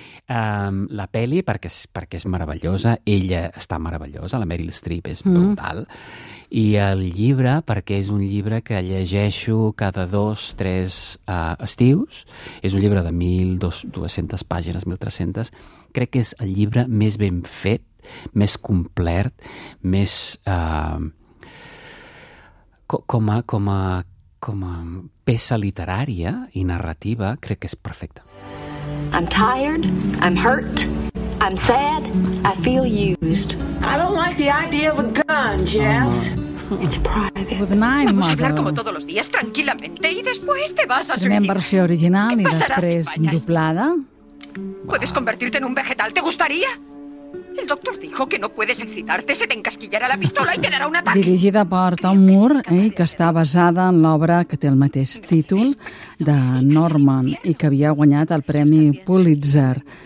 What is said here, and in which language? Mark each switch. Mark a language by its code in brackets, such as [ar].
[ca] La pel·li, perquè és meravellosa, ella està meravellosa, la Meryl Streep és brutal, i el llibre, perquè és un llibre que llegeixo cada 2-3 estius, és un llibre de 1.200 pàgines, 1.300, crec que és el llibre més ben fet, més complet, més com a peça literària i narrativa, crec que és perfecta. [en] I'm tired, I'm hurt, I'm sad, I feel used. I don't like the idea of a gun, Jess. It's private. Good night, [es] vamos a hablar como todos los días, tranquilamente, y después te vas a suicidar. [ca] Tenim versió original i després doblada. [es] ¿Puedes convertirte en un vegetal? ¿Te gustaría? El doctor dijo que no puedes excitarte, se te encasquillará la pistola y te dará un ataque. Dirigida por [ca] Tom Moore, que està basada en l'obra que té el mateix títol de Norman i que havia guanyat el Premi Pulitzer.